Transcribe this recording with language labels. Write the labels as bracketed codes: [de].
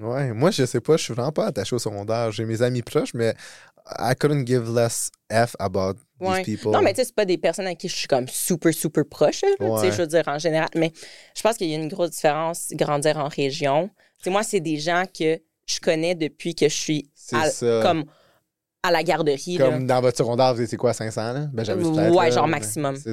[fr] Ouais, moi, je sais pas. Je suis vraiment pas attaché au secondaire. J'ai mes amis proches, mais [en] I couldn't give less F about these people. [fr] Non, mais tu sais, c'est pas des personnes à qui je suis comme super, super proche. Tu sais, je veux dire, en général. Mais je pense qu'il y a une grosse différence grandir en région. Tu sais, moi, c'est des gens que je connais depuis que je suis comme à la garderie. Comme là. Dans votre secondaire, vous étiez quoi, 500? Là? Ben, j'avais peut-être. Ouais, genre maximum.